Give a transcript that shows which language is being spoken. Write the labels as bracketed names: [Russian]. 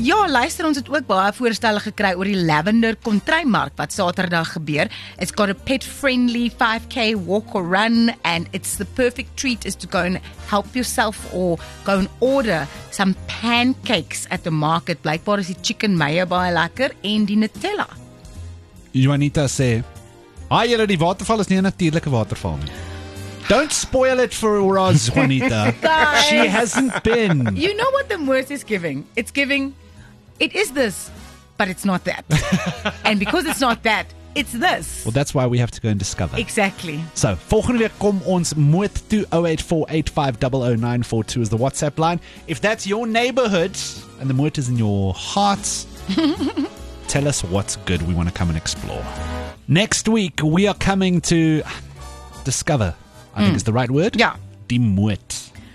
[Afrikaans] Ja, luister, ons het ook baie voorstelle gekry oor die Lavender Kontrymark wat Saterdag gebeur. [English] It's got a pet-friendly 5K walk or run and it's the perfect treat is to go and help yourself or go and order some pancakes at the market. [Afrikaans] Blykbaar is die chicken mayo baie lekker en die Nutella. Juanita sê, "Ai, julle, die waterval is nie 'n natuurlike waterval nie." [English] Don't spoil it for Roz, Juanita. Guys, she hasn't been. You know what the moose is giving? It's giving, it is this, but it's not that. And because it's not that, it's this. Well, that's why we have to go and discover. Exactly. [Afrikaans] So, volgende week kom ons moot toe. [English] 0848500942 is the WhatsApp line. If that's your neighborhood and the moot is in your heart, tell us what's good. We want to come and explore. Next week, we are coming to discover. I think it's the right word. Yeah. [Afrikaans] Die moot.